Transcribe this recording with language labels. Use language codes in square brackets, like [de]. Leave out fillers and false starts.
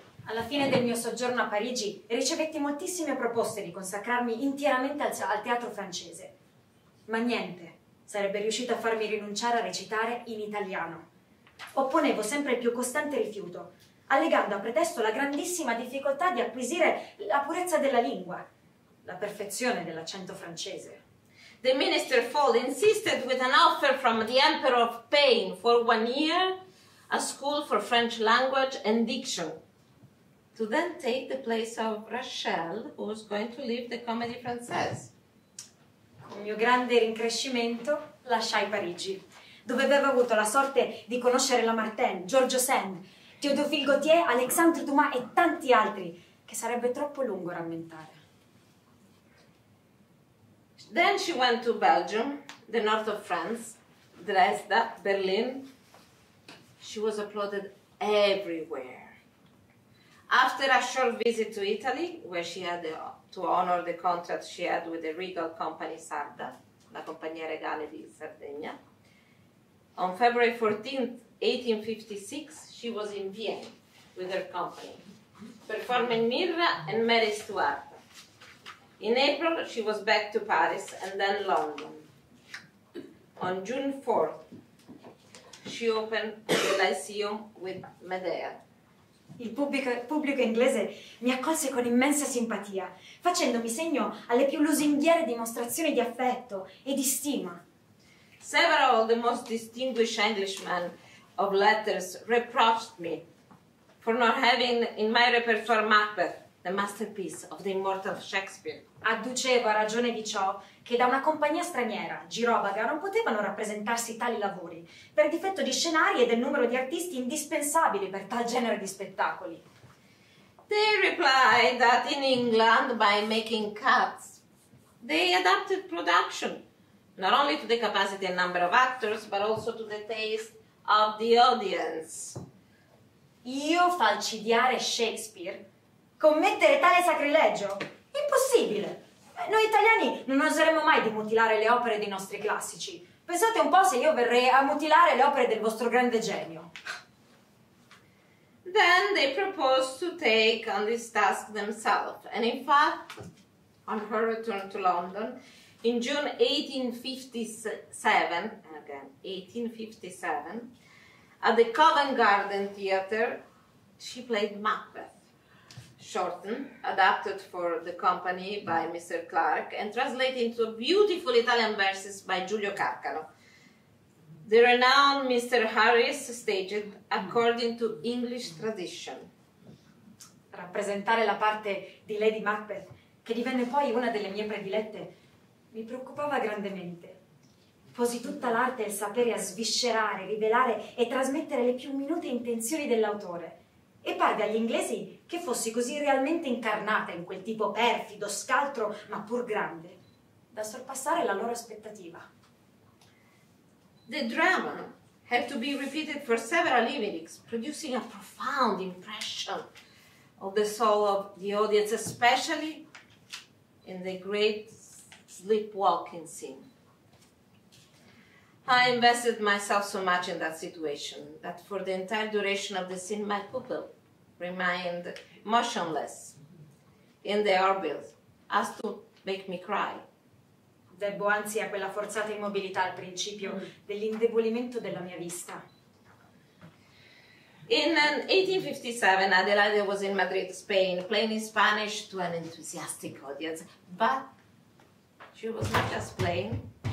[it] Alla fine del mio soggiorno a Parigi, ricevetti moltissime proposte di consacrarmi interamente al teatro francese. Ma niente sarebbe riuscito a farmi rinunciare a recitare in italiano. Opponevo sempre il più costante rifiuto, allegando a pretesto la grandissima difficoltà di acquisire la purezza della lingua, la perfezione dell'accento francese. [en] The minister Fold insisted with an offer from the Emperor of Spain for 1 year, a school for French language and diction, to then take the place of Rachel, who was going to leave the Comédie Française. [it] Con mio grande rincrescimento, lasciai Parigi, dove avevo avuto la sorte di conoscere Lamartine, Giorgio Sand, Théodophile Gautier, Alexandre Dumas e tanti altri, che sarebbe troppo lungo rammentare. [en] Then she went to Belgium, the north of France, Dresden, Berlin. She was applauded everywhere. After a short visit to Italy, where she had to honor the contract she had with the regal company Sarda, la Compagnia Regale di Sardegna, on February 14, 1856, she was in Vienna with her company, performing Mirra and Mary Stuart. In April, she was back to Paris and then London. On June 4th, she opened the Lyceum with Medea. [it] Il pubblico inglese mi accolse con immensa simpatia, facendomi segno alle più lusinghiere dimostrazioni di affetto e di stima. [en] Several of the most distinguished Englishmen of letters reproached me for not having in my repertoire Macbeth, the masterpiece of the immortal Shakespeare. [it] Adducevo a ragione di ciò che da una compagnia straniera, girovaga, non potevano rappresentarsi tali lavori per difetto di scenari e del numero di artisti indispensabili per tal genere di spettacoli. [en] They replied that in England, by making cuts, they adapted production not only to the capacity and number of actors, but also to the taste of the audience. [it] Io falcidiare Shakespeare? Commettere tale sacrilegio? Impossibile! Noi italiani non oseremmo mai di mutilare le opere dei nostri classici. Pensate un po' se io verrei a mutilare le opere del vostro grande genio. [en] Then they proposed to take on this task themselves. And in fact, on her return to London. In June 1857, at the Covent Garden Theatre, she played Macbeth, shortened, adapted for the company by Mr. Clark, and translated into beautiful Italian verses by Giulio Carcano. The renowned Mr. Harris staged according to English tradition. [it] Rappresentare la parte di Lady Macbeth, che divenne poi una delle mie predilette, mi preoccupava grandemente. Posi tutta l'arte e il sapere a sviscerare, rivelare e trasmettere le più minute intenzioni dell'autore. E parve agli inglesi che fossi così realmente incarnata in quel tipo perfido, scaltro, ma pur grande, da sorpassare la loro aspettativa. [en] The drama had to be repeated for several evenings, producing a profound impression of the soul of the audience, especially in the great sleepwalking scene. I invested myself so much in that situation that for the entire duration of the scene, my pupil remained motionless in the orbit, as to make me cry. [it] Debbo anzi a quella forzata immobilità al principio dell'indebolimento della mia vista. [en] In 1857, Adelaide was in Madrid, Spain, playing in Spanish to an enthusiastic audience. But she was not just playing.